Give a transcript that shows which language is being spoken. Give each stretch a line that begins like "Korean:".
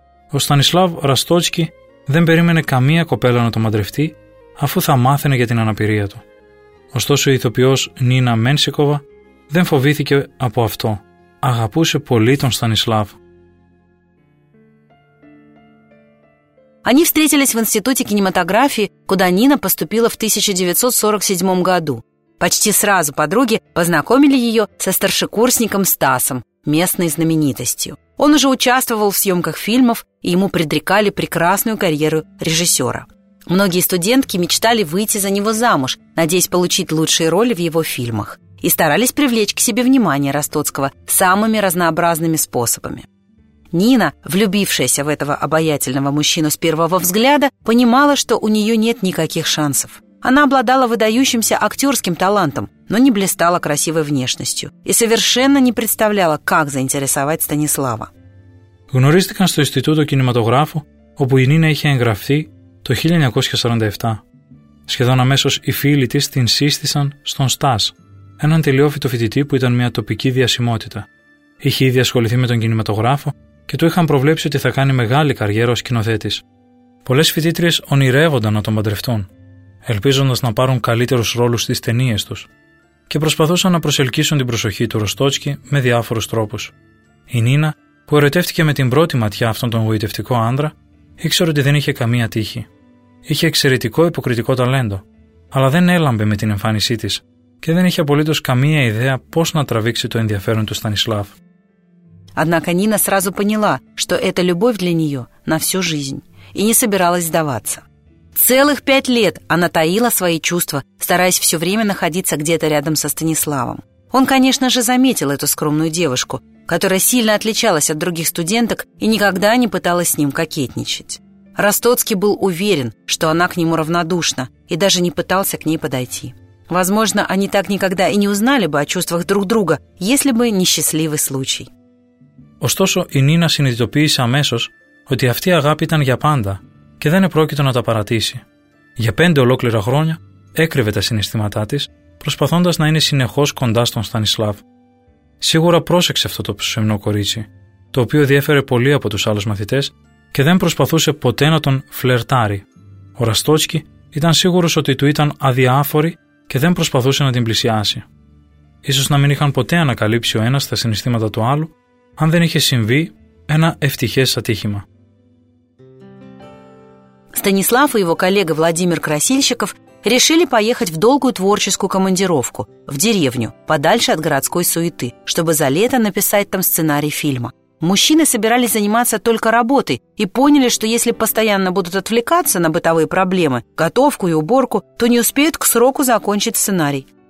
Greek: Ο Στανισλάβ Ραστόцкий δεν περίμενε καμία κοπέλα να το μαντρευτεί, αφού θα μάθαινε για την αναπηρία του. Ωστόσο, η ηθοποιός Νίνα Μένσικοβα δεν φοβήθηκε από αυτό. Αγαπούσε πολύ τον Στανισλάβ.
Russian: Они встретились в Институте кинематографии, куда Нина поступила в 1947 году. Почти сразу подруги познакомили ее со старшекурсником Стасом, местной знаменитостью. Он уже участвовал в съемках фильмов, и ему предрекали прекрасную карьеру режиссера. Многие студентки мечтали выйти за него замуж, надеясь получить лучшие роли в его фильмах, и старались привлечь к себе внимание Ростоцкого самыми разнообразными способами. Нина, влюбившаяся в этого обаятельного мужчину с первого взгляда, понимала, что у нее нет никаких шансов. Она обладала выдающимся актерским талантом, но не блистала красивой внешностью и совершенно не представляла, как заинтересовать Станислава.
Greek: Γνωρίστηκαν στο Ινστιτούτο Κινηματογράφου, όπου η Νίνα είχε εγγραφεί το 1947. Σχεδόν αμέσως οι φίλοι της την σύστησαν στον Στάς, έναν τελειόφυτο φοιτητή που ήταν μια τοπική διασημότητα. Είχε ήδη ασχοληθεί με τον κινηματογράφο και του είχαν προβλέψει ότι θα κάνει μεγάλη καριέρα ως σκηνοθέτης. Πολλές φοιτήτριες ονειρεύονταν να τον παντρευτούν, ελπίζοντας να πάρουν καλύτερους ρόλους στις ταινίες τους, και προσπαθούσαν να προσελκύσουν την προσοχή του Ροστόцкий με διάφορους τρόπους. Η Νίνα, που ερωτεύτηκε με την πρώτη ματιά αυτόν τον γοητευτικό άντρα, ήξερε ότι δεν είχε καμία τύχη. Είχε εξαιρετικό υποκριτικό ταλέντο, αλλά δεν έλαμπε με την εμφάνισή της και δεν είχε απολύτως καμία ιδέα πώς να τραβήξει το ενδιαφέρον του Στανισλάβ.
Russian: Однако Нина сразу поняла, что это любовь для нее на всю жизнь, и не собиралась сдаваться. Целых 5 лет она таила свои чувства, стараясь все время находиться где-то рядом со Станиславом. Он, конечно же, заметил эту скромную девушку, которая сильно отличалась от других студенток и никогда не пыталась с ним кокетничать. Ростоцкий был уверен, что она к нему равнодушна, и даже не пытался к ней подойти. Возможно, они так никогда и не узнали бы о чувствах друг друга, если бы не счастливый случай.
Greek: Ωστόσο, η Νίνα συνειδητοποίησε αμέσως ότι αυτή η αγάπη ήταν για πάντα και δεν επρόκειτο να τα παρατήσει. Για 5 ολόκληρα χρόνια έκρυβε τα συναισθήματά της, προσπαθώντας να είναι συνεχώς κοντά στον Στανισλάβ. Σίγουρα πρόσεξε αυτό το ψευνό κορίτσι, το οποίο διέφερε πολύ από τους άλλους μαθητές και δεν προσπαθούσε ποτέ να τον φλερτάρει. Ο Ραστόцкий ήταν σίγουρος ότι του ήταν αδιάφορη και δεν προσπαθούσε να την πλησιάσει. Ίσως να μην είχαν ποτέ ανακαλύψει ο ένας τα συναισθήματα του άλλου, αν δεν είχε συμβεί ένα ευτυχές ατύχημα.
Russian: Станислав и его коллега Владимир Красильщиков решили поехать в долгую творческую командировку, в деревню, подальше от городской суеты, чтобы за лето написать там сценарий фильма. Мужчины собирались заниматься только работой и поняли, что если постоянно будут отвлекаться на бытовые проблемы, готовку и уборку, то не успеют к сроку закончить сценарий.